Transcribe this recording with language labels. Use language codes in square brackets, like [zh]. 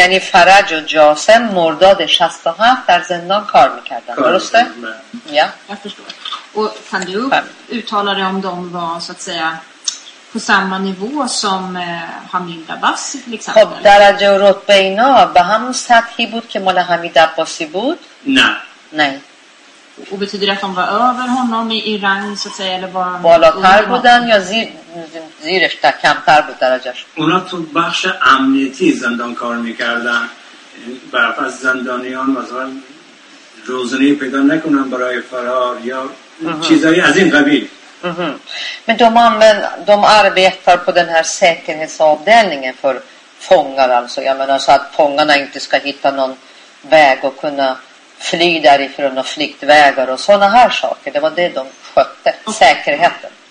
[fa] یعنی فرج و جاسم مرداد 67 در زندان کار میکردن. درسته؟ [sv] یا. Jag förstår. Och kan du uttala dig om de var så att säga på samma nivå som Hamid Abbasi till exempel? [fa] خب درجه و رتبه اینا به همون سطحی بود که مال حمید عباسی بود؟ نه. [sv] Och betyder det att de var över honom i rang så att säga, eller var [fa] بالاتر بودن یا زیرش تا کمتر بود درجهش؟ اونا تو بخش امنیتی زندان کار میکردن، برفت زندانیان مثلا روزنه پیدا نکنم برای فرار یا چیزایی از این قبیل. [sv] Men de arbetar på den här säkerhetsavdelningen för fångar, alltså jag menar så att fångarna inte ska hitta någon väg och kunna fly därifrån och flyktvägar och sådana här saker. Det var det de skötte, säkerheten.